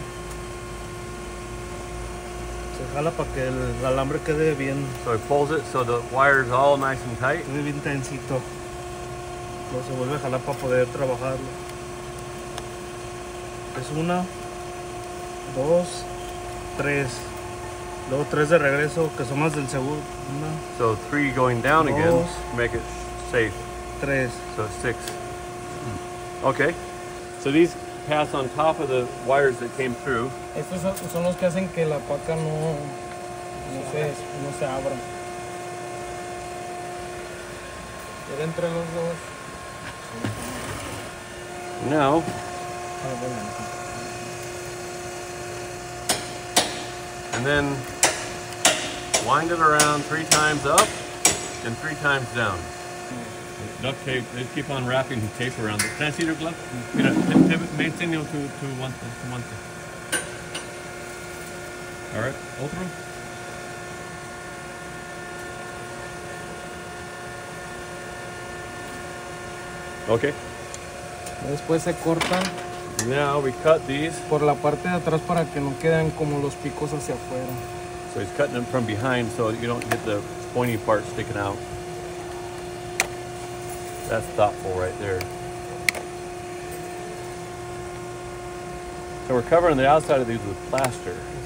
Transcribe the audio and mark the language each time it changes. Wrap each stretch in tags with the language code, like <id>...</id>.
<es>Se jala para que el alambre quede bien.</es> <en>So he pulls it so the wire is all nice and tight.</en> <es>Muy bien tensito. Lo se vuelve a jalar para poder trabajarlo. Es una, dos, tres. Luego tres de regreso que son más del seguro. Una.</es> <en>So three going down dos, again to make it safe.</en> <es>Tres.</es> <en>So six. Okay, so these pass on top of the wires that came through.</en> <es>Estos son los que hacen que la paca no, no se abra. Era entre los dos.</es> <en>Now. And then wind it around three times up and three times down. Duct tape, they keep on wrapping the tape around it. Can I see your glove?</en> <es>Mira, te enseño tu guante, tu guante.</es> <en>All right,</en> <es>otro.</es> <en>Okay.</en> <es>Después se cortan.</es> <en>Now we cut these.</en> <es>Por la parte de atrás para que no queden como los picos hacia afuera.</es> <en>So he's cutting them from behind so you don't get the pointy part sticking out. That's thoughtful right there. So we're covering the outside of these with plaster.</en>